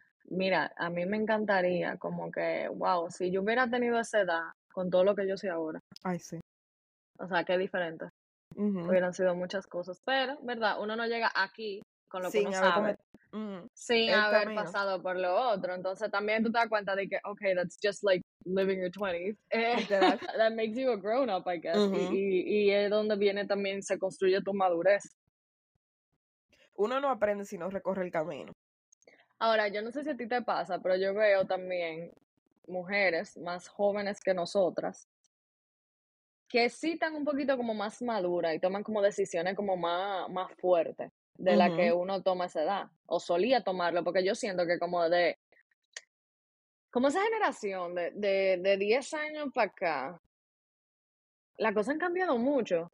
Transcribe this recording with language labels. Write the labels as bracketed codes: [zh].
[es] Mira, a mí me encantaría como que, wow, si yo hubiera tenido esa edad con todo lo que yo soy ahora. Ay, sí. O sea, qué diferente. Uh-huh. Hubieran sido muchas cosas. Pero, ¿verdad? Uno no llega aquí con lo que uno sabe. Sin haber pasado por lo otro. Entonces, también tú te das cuenta de que, [en] okay, that's just like living your 20s. That makes you a grown-up, I guess. Uh-huh. [es] Y es donde viene también, se construye tu madurez. Uno no aprende si no recorre el camino. Ahora, yo no sé si a ti te pasa, pero yo veo también mujeres más jóvenes que nosotras que sí están un poquito como más maduras y toman como decisiones como más fuertes de uh-huh. la que uno toma a esa edad, o solía tomarlo, porque yo siento que como de, como esa generación de 10 años para acá, la cosa ha cambiado mucho